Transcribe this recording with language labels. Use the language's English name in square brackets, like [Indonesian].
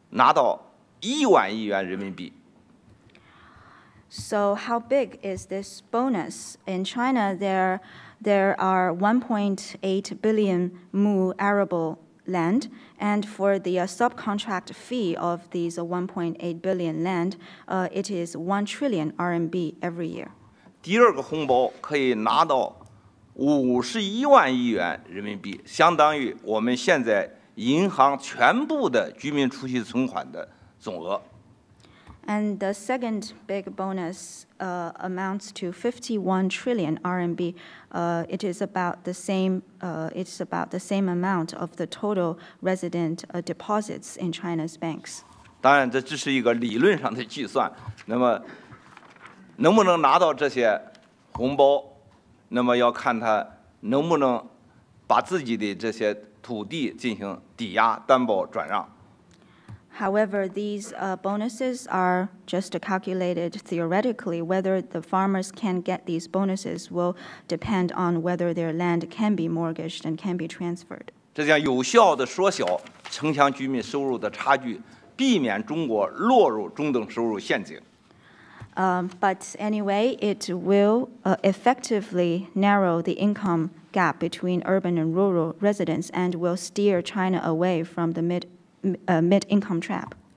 [Chinese] 第一个红包价值几何？每年的转包费，从理论上讲，18亿亩耕地可以从转包中拿到1万亿元人民币。 [English] So how big is this bonus? In China, there are 1.8 billion mu arable land, and for the subcontract fee of these 1.8 billion land, it is 1 trillion RMB every year. [Chinese] 第二个红包可以拿到51万亿元人民币，相当于我们现在银行全部的居民储蓄存款的总额。 [English] And the second big bonus amounts to 51 trillion RMB. It is about the same. It's about the same amount of the total resident deposits in China's banks. [Chinese] 当然，这只是一个理论上的计算。那么，能不能拿到这些红包，那么要看他能不能把自己的这些土地进行抵押担保转让。 [English] However, these bonuses are just calculated theoretically. Whether the farmers can get these bonuses will depend on whether their land can be mortgaged and can be transferred. [Chinese] 这将有效地缩小城乡居民收入的差距, 避免中国落入中等收入陷阱。 [English] But anyway, it will effectively narrow the income gap between urban and rural residents and will steer China away from the mid-income trap.